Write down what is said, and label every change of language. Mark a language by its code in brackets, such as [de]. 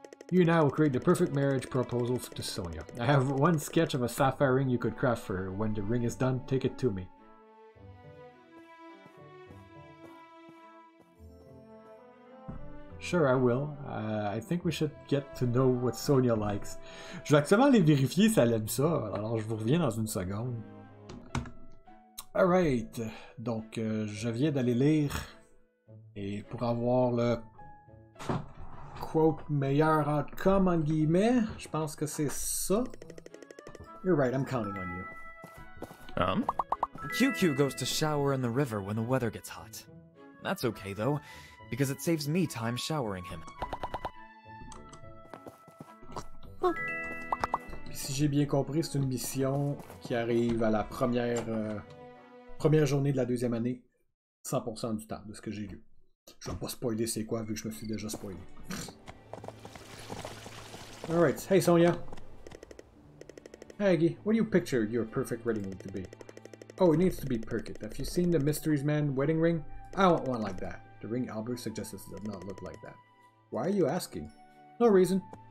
[en] You and I will create the perfect marriage proposal to Sonia. I have one sketch of a sapphire ring you could craft for her. When the ring is done, take it to me. Sure, I will. I think we should get to know what Sonia likes. [fr] Je vais actuellement aller vérifier si elle aime ça. Alors, je vous reviens dans une seconde. Alright. Donc, je viens d'aller lire. Et pour avoir le... quote, meilleur outcome, en guillemets, je pense que c'est ça. [en] You're right, I'm counting on you. QQ goes to shower in the river when the weather gets hot. That's okay, though. Because it saves me time showering him. Oh. [fr] si j'ai bien compris, c'est une mission qui arrive à la première journée de la deuxième année, 100% du temps, de ce que j'ai lu. Je vais pas spoiler c'est quoi, vu que je me suis déjà spoilé. [en] Alright, hey Sonia. Aggie, what do you picture your perfect wedding ring to be? Oh, it needs to be perfect. Have you seen the Mysteries Man wedding ring? I want one like that. The ring Albert suggests does not look like that. Why are you asking? No reason.